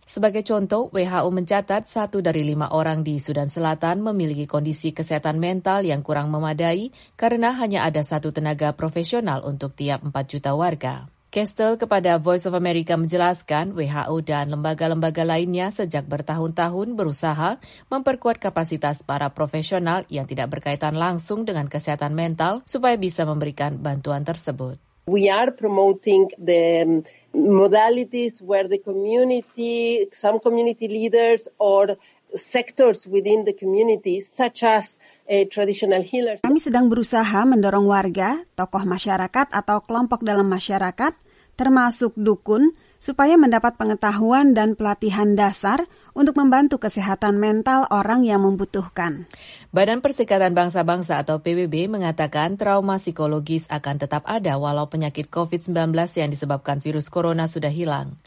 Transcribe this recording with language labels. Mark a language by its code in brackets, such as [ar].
[id] Sebagai contoh, WHO mencatat 1 dari 5 orang di Sudan Selatan memiliki kondisi kesehatan mental yang kurang memadai karena hanya ada 1 tenaga profesional untuk tiap 4 juta warga. Kestel kepada Voice of America menjelaskan WHO dan lembaga-lembaga lainnya sejak bertahun-tahun berusaha memperkuat kapasitas para profesional yang tidak berkaitan langsung dengan kesehatan mental supaya bisa memberikan bantuan tersebut. [en] We are promoting the modalities where the community, some community leaders or sectors within the community, such as traditional healers. [id] Kami sedang berusaha mendorong warga, tokoh masyarakat atau kelompok dalam masyarakat, termasuk dukun, supaya mendapat pengetahuan dan pelatihan dasar untuk membantu kesehatan mental orang yang membutuhkan. Badan Perserikatan Bangsa-Bangsa atau PBB mengatakan trauma psikologis akan tetap ada walau penyakit COVID-19 yang disebabkan virus corona sudah hilang.